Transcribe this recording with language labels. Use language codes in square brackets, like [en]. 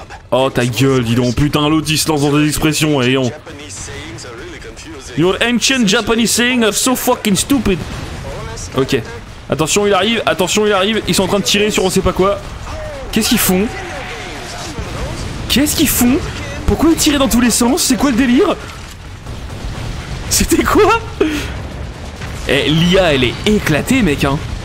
[fr] Oh ta gueule, dis donc, putain, l'autre il se lance dans des expressions, voyons. [en] Your ancient Japanese saying are so fucking stupid. [fr] Ok, attention il arrive, ils sont en train de tirer sur on sait pas quoi. Qu'est-ce qu'ils font? Qu'est-ce qu'ils font? Pourquoi ils tirent dans tous les sens? C'est quoi le délire? C'était quoi? Eh, l'IA elle est éclatée, mec, hein.